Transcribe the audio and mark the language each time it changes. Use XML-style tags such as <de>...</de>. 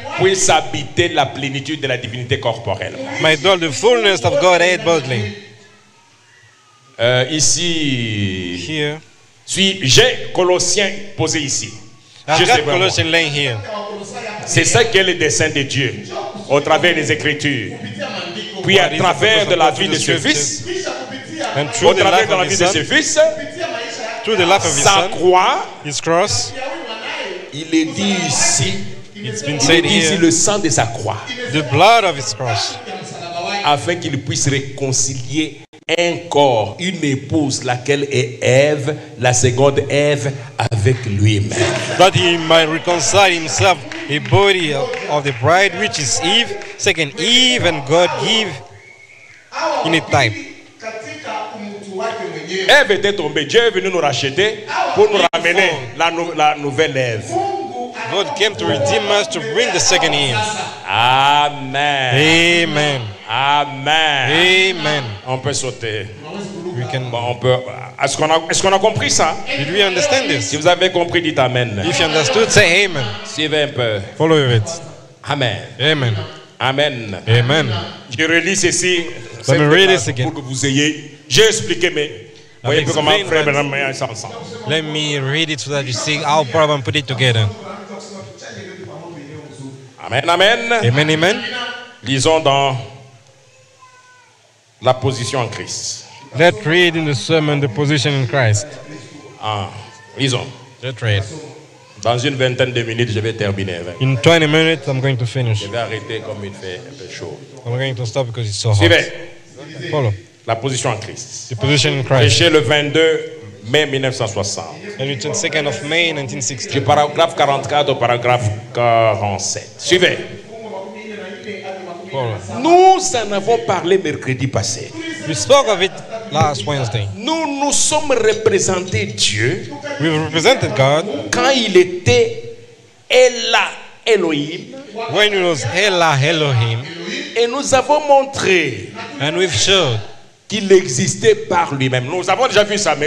<fr>puisse habiter la plénitude de la divinité corporelle.</fr> <en>May dwell the fullness of Godhead bodily.</en> <fr>Ici,</fr> <en>here,</en> <fr>si j'ai Colossiens posé ici.</fr> <en>Here.</en> <fr>C'est ça qu'est le dessein de Dieu au travers des Écritures, puis à travers de la vie de ce fils, au travers de la vie de ce fils, sa croix, il est dit ici, le sang de sa croix,</fr> <en>the blood of his cross,</en> <fr>afin qu'il puisse réconcilier un corps, une épouse, laquelle est Ève, la seconde Ève, avec lui-même.</fr> <en>That he might reconcile himself, a body of the bride, which is Eve, second Eve, and God give in a time.</en> <fr>Ève était tombée, Dieu est venu nous racheter pour nous ramener la nouvelle Ève.</fr> <en>God came to redeem us to bring the second Eve.</en> <fr>Amen.</fr> <en>Amen.</en> <fr>Amen.</fr> <en>Amen.</en> <fr>On peut sauter.</fr> <en>We can.</en> <fr>Bon, on peut. Est-ce qu'on a compris ça?</fr> <en>Did we understand this?</en> <fr>Si vous avez compris, dites amen.</fr> <en>If you understood, say amen.</en> <fr>Suivez un peu.</fr> <en>Follow it.</en> <fr>Amen.</fr> <en>Amen.</en> <fr>Amen.</fr> <en>Amen.</en> <fr>Je relis ceci.</fr> <en>Let me read this again.</en> <fr>Pour que vous ayez. J'ai expliqué mais. Voyez un peu comment frère Branham et ils sont ensemble.</fr> <en>Let me read it so that you see how Branham put it together.</en> <fr>Amen, amen.</fr> <en>Amen, amen.</en> <fr>Lisons dans la position en Christ.</fr> <en>Let's read in the sermon the position in Christ.</en> <fr>Ah, lisons.</fr> <en>Let's read.</en> <fr>Dans une vingtaine de minutes, je vais terminer.</fr> <en>In 20 minutes, I'm going to finish.</en> <fr>Je vais arrêter comme il fait un peu chaud.</fr> <en>I'm going to stop because it's so hot.</en> <fr>Suivez.</fr> <en>Follow.</en> <fr>La position en Christ.</fr> <en>The position in Christ.</en> <fr>Prêché le 22 mai 1960.</fr> <en>And the 22nd of May 1960.</en> <fr>Du paragraphe 44 au paragraphe 47. Suivez. Nous en avons parlé mercredi passé.</fr> <en>We spoke of it last Wednesday.</en> <fr>Nous nous sommes représentés Dieu.</fr> <en>We represented God.</en> <fr>Quand il était Ella Elohim.</fr> <en>When he was Ella Elohim.</en> <fr>Et nous avons montré.</fr> <en>And we've showed.</en> <fr>Qu'il existait par lui-même. Nous avons déjà vu ça, mais</fr>